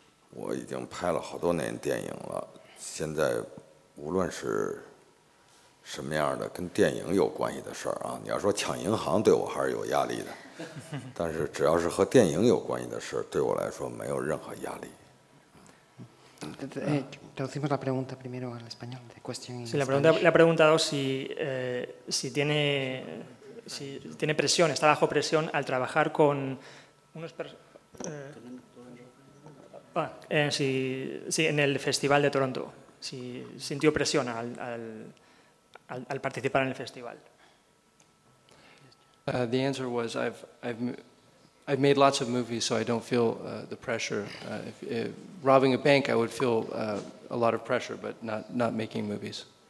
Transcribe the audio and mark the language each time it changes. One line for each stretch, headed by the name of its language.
Chinese: 我已经拍了好多年电影了，现在无论是什么样的跟电影有关系的事儿啊，你要说抢银行对我还是有压力的，但是只要是和电影有关系的事儿，对我来说没有任何压力。
Spanish: Traducimos la pregunta primero al español. De cuestión. Sí, le ha preguntado si tiene presión, está bajo presión al trabajar con unos si en el festival de Toronto, si sintió presión al participar en el festival.
English: The answer was I've made lots of movies, so I don't feel the pressure. If robbing a bank, I would feel a lot of pressure, but not making movies.